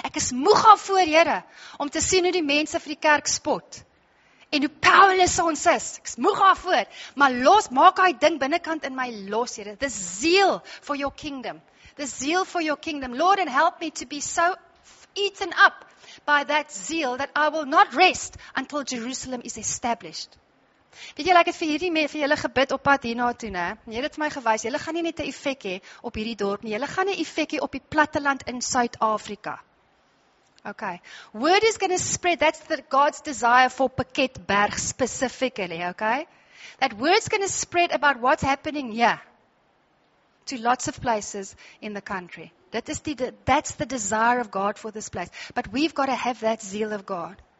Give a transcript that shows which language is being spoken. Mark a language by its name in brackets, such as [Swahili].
[Afrikaans] Ek is moeg al voor, Here, om te sien hoe die mense vir die kerk spot, en hoe powerless ons is. Ek is moeg al voor, maar los, maak hy ding binnenkant in my los, Here, [English] the zeal for your kingdom, Lord, and help me to be so eaten up by that zeal that I will not rest until Jerusalem is established. [Afrikaans] Weet julle, ek het vir hierdie mee, vir julle gebid op pad hierna toe, ne? En julle het vir my gewys, julle gaan nie net 'n effek hê op hierdie dorp nie, julle gaan 'n effek hê op die platteland in Suid-Afrika. [English] Okay. Word is going to spread, that's the God's desire for Paketberg specifically, okay? That word's going to spread about what's happening here to lots of places in the country. That's the desire of God for this place. But we've got to have that zeal of God.